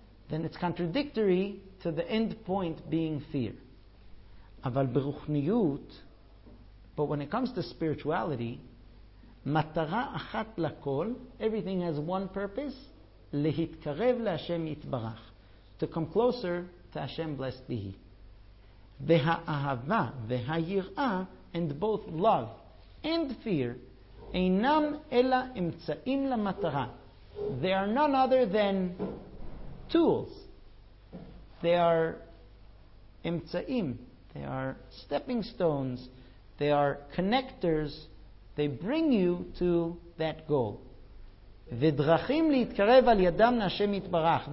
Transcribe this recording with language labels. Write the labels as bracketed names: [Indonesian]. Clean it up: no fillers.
[English] Then it's contradictory to the end point being fear. [Hebrew] אבל ברוחניות, [English] but when it comes to spirituality, [Hebrew] מטרה אחת לכל, [English] everything has one purpose, [Hebrew] להתקרב להשם יתברך, [English] to come closer to Hashem, blessed be He. [Hebrew] והאהבה והיראה, [English] and both love and fear, [Hebrew] אינם אלא אמצעים למטרה. [English] They are none other than tools. They are אמצעים. They are stepping stones. They are connectors. They bring you to that goal. [Hebrew] V'drachim li'itkarev al yadam na'Hashem itbarach.